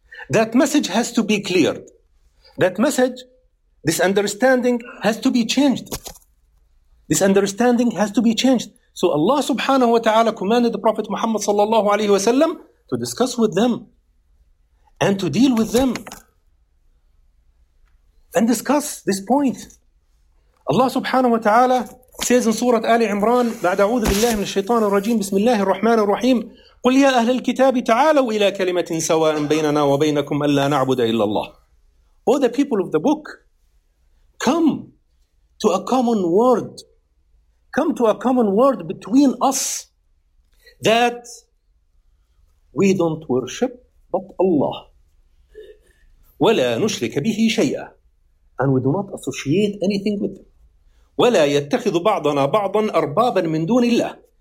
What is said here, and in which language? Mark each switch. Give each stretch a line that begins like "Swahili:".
English: That message has to be cleared. That message, this understanding has to be changed. This understanding has to be changed. So Allah subhanahu wa ta'ala commanded the Prophet Muhammad sallallahu alayhi wa sallam to discuss with them and to deal with them and discuss this point. Allah subhanahu wa ta'ala says in Surah Ali Imran,
Arabic: بعد أعوذ بالله من الشيطان الرجيم بسم الله الرحمن الرحيم قل يا أهل الكتاب تعالوا إلى كلمة سواء بيننا وبينكم ألا نعبد إلا الله.
English: O the people of the book, come to a common word. Come to a common word between us that we don't worship but Allah.
Arabic: ولا نشرك به شيئا.
English: And we do not associate anything with him.
Arabic: ولا يتخذ بعضنا بعضا أربابا من دون الله.